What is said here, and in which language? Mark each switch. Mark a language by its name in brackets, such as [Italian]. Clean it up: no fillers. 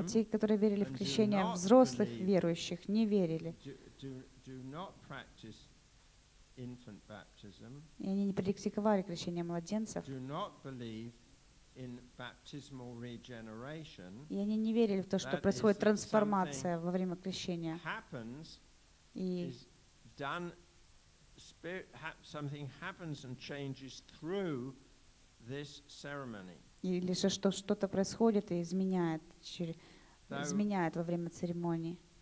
[Russian] а те, которые верили в крещение взрослых верующих, не верили. [English] Do not practice infant baptism, [Russian] и они не практиковали крещение младенцев. [English] Do not believe in baptismal regeneration, [Russian] и они не верили в то, что происходит трансформация во время крещения. [English] Happens, и done spirit, something happens and changes through this ceremony. [Russian] Или же что что-то происходит и изменяет изменяет во время церемонии.